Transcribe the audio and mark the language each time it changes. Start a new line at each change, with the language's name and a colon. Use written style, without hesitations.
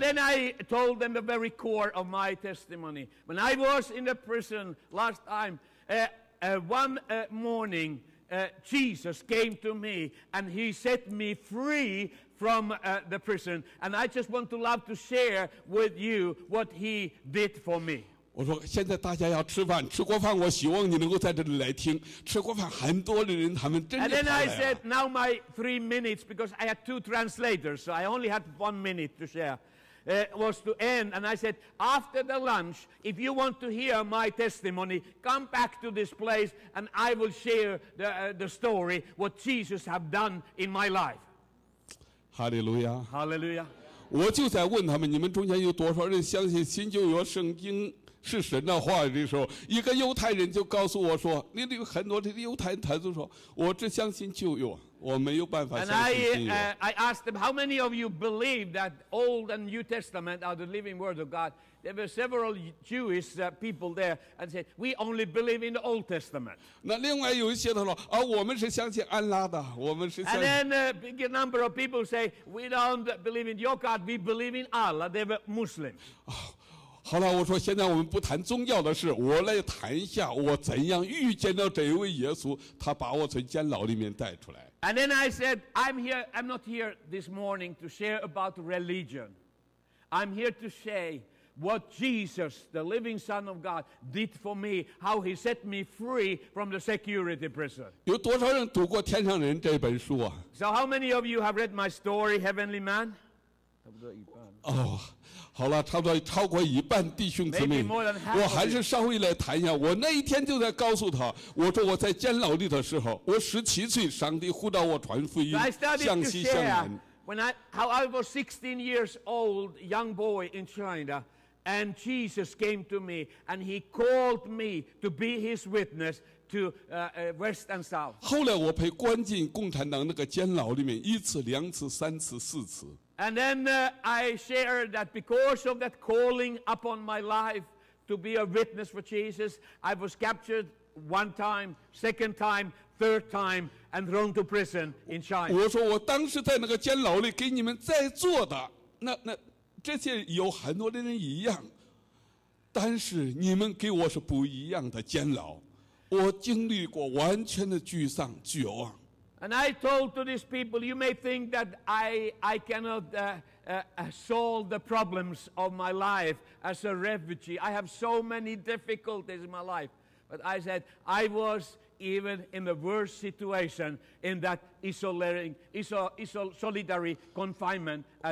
English: And then I told them the very core of my testimony. When I was in the prison last time, one morning, Jesus came to me and he set me free from the prison. And I just want to love to share with you what he did for me.
Chinese: 我说现在大家要吃饭，吃过饭我希望你能够在这里来听。吃过饭很多的人他们真的来了。
English: And then I said, now my 3 minutes, because I had 2 translators, so I only had 1 minute to share, was to end. And I said, after the lunch, if you want to hear my testimony, come back to this place and I will share the story, what Jesus have done in my life. Hallelujah. Hallelujah.
Chinese: 我就在问他们，你们中间有多少人相信新旧约圣经？是神的话的时候，一个犹太人就告诉我说：“你有很多的犹太人，他就说，我只相信旧约，我没有办法相信新约。”
English: And I asked them, how many of you believe that Old and New Testament are the living word of God? There were several Jewish people there and said, we only believe in the Old Testament.
Chinese: 那另外有一些他说：“啊，我们是相信安拉的，我们是相信。”
English: And then a big number of people say, we don't believe in your God, we believe in Allah. They were Muslims.
Chinese: 好了，我说现在我们不谈宗教的事，我来谈一下我怎样遇见到这一位耶稣，他把我从监牢里面带出来。
English: And then I said, I'm here. I'm not here this morning to share about religion. I'm here to say what Jesus, the living Son of God, did for me. How He set me free from the security prison.
Chinese: 有多少人读过《天上人》这本书啊
English: ？So how many of you have read my story, Heavenly Man?
Chinese: 差不多一半。哦。好了，差不多超过一半弟兄姊妹，我还是稍微来谈一下。我那一天就在告诉他，我说我在监牢里的时候，我17岁，上帝呼召我传福音，向西向南。
English: When I how I was 16 years old, young boy in China, and Jesus came to me and He called me to be His witness to West and South.
Chinese: 后来我被关进共产党那个监牢里面，一次、两次、三次、四次。
English: And then I shared that because of that calling upon my life to be a witness for Jesus, I was captured one time, second time, third time, and thrown to prison in China.
Chinese: 我说我当时在那个监牢里给你们在做的，那这些有很多的人一样，但是你们给我是不一样的监牢，我经历过完全的沮丧、绝望。
English: And I told to these people, you may think that I cannot solve the problems of my life as a refugee. I have so many difficulties in my life. But I said, I was even in the worst situation in that solitary confinement.